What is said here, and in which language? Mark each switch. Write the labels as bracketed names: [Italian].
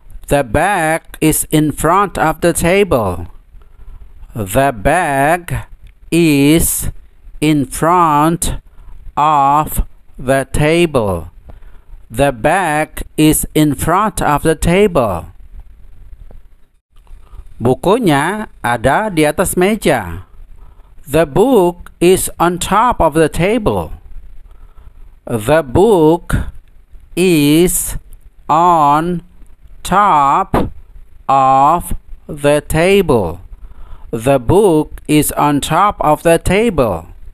[English] The bag is in front of the table. The bag is in front of the table. The bag is in front of the table. [Indonesian] Bukunya ada di atas meja. [English] The book is on top of the table. The book is on top of the table. The book is on top of the table.